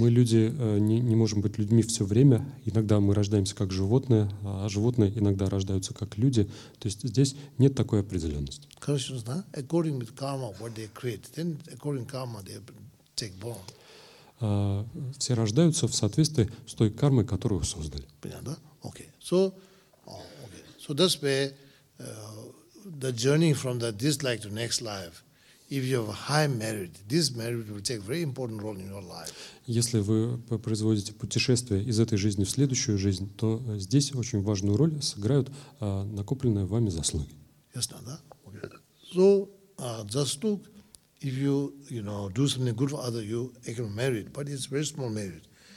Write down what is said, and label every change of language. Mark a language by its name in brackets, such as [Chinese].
[Russian] Мы люди не можем быть людьми все время. Иногда мы рождаемся как животные, а животные иногда рождаются как люди. То есть здесь нет такой определенности. [English] Conditions, да? According with karma, what they create, then according karma they take born. [Russian] Все рождаются в соответствии с той кармой, которую создали. Понятно? [English] Okay. So, okay. So that's where the journey from the this life to next life. If you have high merit, this merit will take very important role in your life. [Russian] Если вы производите путешествие из этой жизни в следующую жизнь, то здесь очень важную роль сыграют накопленные вами заслуги. Ясно, да? [English] So, заслуг, if you, you know, do something good for others, you accumulate merit, but it's very small merit.